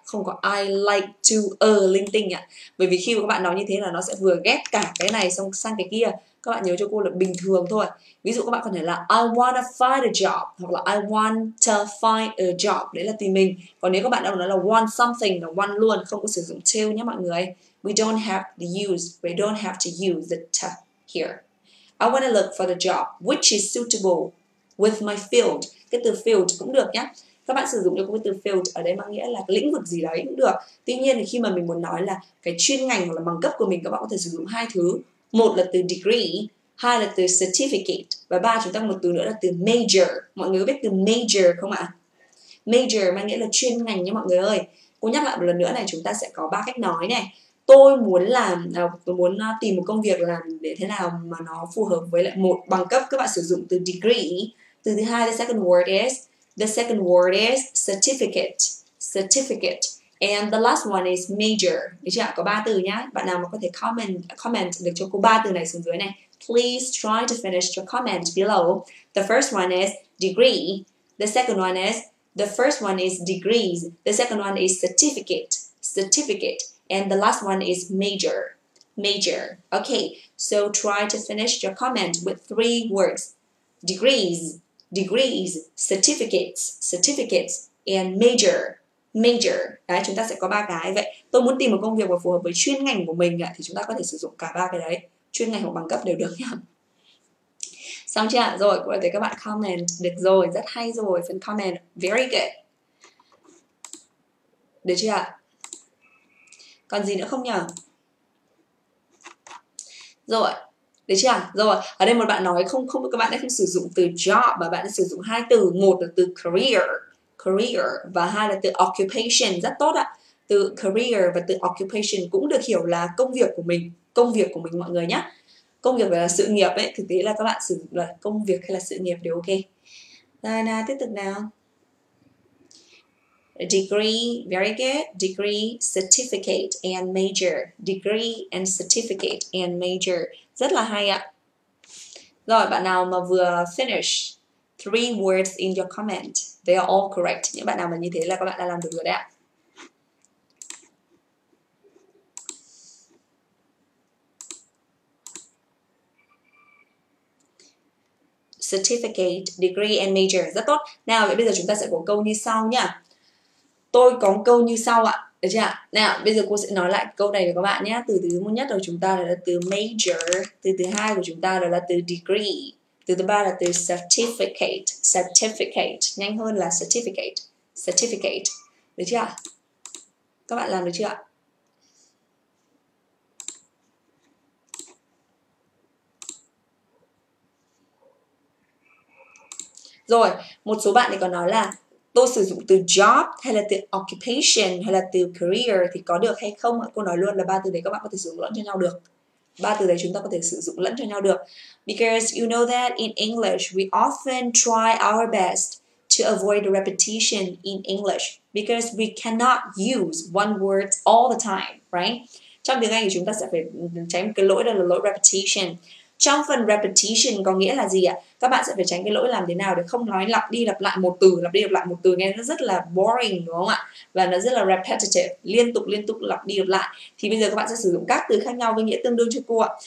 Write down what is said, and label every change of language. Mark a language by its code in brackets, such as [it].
[vi] Không có [en] I like to [vi] a linh tinh ạ. Bởi vì khi mà các bạn nói như thế là nó sẽ vừa ghép cả cái này xong sang cái kia. Các bạn nhớ cho cô là bình thường thôi. Ví dụ các bạn có thể là [en] I wanna find a job [vi] hoặc là [en] I want to find a job. [vi] Đấy là tìm mình. Còn nếu các bạn đã nói là want something là want luôn, không có sử dụng to nhé mọi người. [en] We don't have to use the to here. I wanna look for the job which is suitable with my field. [vi] Cái từ field cũng được nhé. Các bạn sử dụng được cái từ field ở đây mang nghĩa là cái lĩnh vực gì đấy cũng được. Tuy nhiên thì khi mà mình muốn nói là cái chuyên ngành hoặc là bằng cấp của mình, các bạn có thể sử dụng hai thứ. Một là từ degree, hai là từ certificate. Và ba, chúng ta một từ nữa là từ major. Mọi người có biết từ major không ạ? Major mang nghĩa là chuyên ngành nha mọi người ơi. Cô nhắc lại một lần nữa này, chúng ta sẽ có ba cách nói này. Tôi muốn tìm một công việc làm để thế nào mà nó phù hợp với lại một bằng cấp, các bạn sử dụng từ degree. Từ thứ hai, [en] the second word is, the second word is certificate, certificate, and the last one is major. [vi] Được chưa? Có ba từ nhá. Bạn nào mà có thể comment được cho cô ba từ này xuống dưới này, [en] please try to finish your comment below. The first one is degree. The second one is, the first one is degrees. The second one is certificate, certificate, and the last one is major, major. Okay, so try to finish your comment with three words: degrees, degrees, certificates, certificates, and major, major. [vi] Đấy, chúng ta sẽ có ba cái. Vậy tôi muốn tìm một công việc mà phù hợp với chuyên ngành của mình thì chúng ta có thể sử dụng cả ba cái đấy, chuyên ngành hoặc bằng cấp đều được nhá. Xong chưa ạ? Rồi, cũng là thấy các bạn comment được rồi, rất hay rồi, phần comment [en] very good. [vi] Được chưa ạ? Còn gì nữa không nhỉ? Rồi, được chưa? Rồi, ở đây một bạn nói không các bạn đã không sử dụng từ job mà bạn đã sử dụng hai từ, một là từ career, career, và hai là từ occupation, rất tốt ạ. Từ career và từ occupation cũng được hiểu là công việc của mình mọi người nhé. Công việc là sự nghiệp ấy, thực tế là các bạn sử dụng là công việc hay là sự nghiệp đều ok. Rồi nào, tiếp tục nào. [en] Degree, very good. Degree, certificate and major. Degree and certificate and major. [vi] Rất là hay ạ. Rồi, bạn nào mà vừa [en] finish three words in your comment, they are all correct. [vi] Những bạn nào mà như thế là các bạn đã làm được rồi đấy ạ. [en] Certificate, degree and major. [vi] Rất tốt. Nào, vậy bây giờ chúng ta sẽ có câu như sau nha. Tôi có câu như sau ạ. Được chưa? Nào, bây giờ cô sẽ nói lại câu này cho các bạn nhé. Từ thứ nhất của chúng ta là từ major. Từ thứ hai của chúng ta là từ degree. Từ thứ ba là từ certificate. Certificate. Nhanh hơn là certificate. Certificate. Được chưa? Các bạn làm được chưa? Rồi, một số bạn thì còn nói là tôi sử dụng từ job hay là từ occupation hay là từ career thì có được hay không? Cô nói luôn là ba từ đấy các bạn có thể sử dụng lẫn cho nhau được. Ba từ đấy chúng ta có thể sử dụng lẫn cho nhau được. [en] Because you know that in English, we often try our best to avoid repetition in English because we cannot use one word all the time, right? [vi] Trong tiếng Anh thì chúng ta sẽ phải tránh cái lỗi đó là lỗi repetition. Trong phần repetition có nghĩa là gì ạ? Các bạn sẽ phải tránh cái lỗi làm thế nào để không nói lặp đi lặp lại một từ, lặp đi lặp lại một từ, nghe nó rất là boring đúng không ạ? Và nó rất là repetitive, liên tục lặp đi lặp lại. Thì bây giờ các bạn sẽ sử dụng các từ khác nhau với nghĩa tương đương cho cô ạ.